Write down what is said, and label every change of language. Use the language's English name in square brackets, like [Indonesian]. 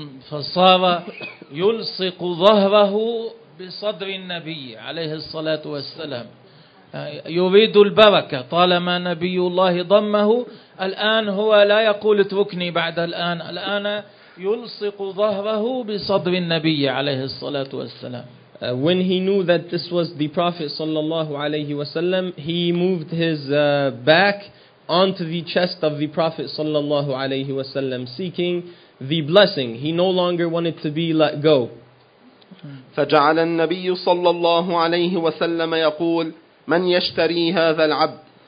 [Arabic] فصار يلصق ظهره بصدر النبي عليه الصلاة والسلام. يريد البركة, طالما نبي الله ضمه الآن هو لا يقول اتركني بعد الآن, الآن يلصق ظهره بصدر النبي عليه الصلاة والسلام. [English] When he knew that this was the Prophet صلى الله عليه وسلم, he moved his back onto the chest of the Prophet صلى الله عليه وسلم, seeking the blessing. He no longer wanted to be let go. [Arabic] فجعل النبي صلى الله عليه وسلم يقول من يشتري هذا العبد؟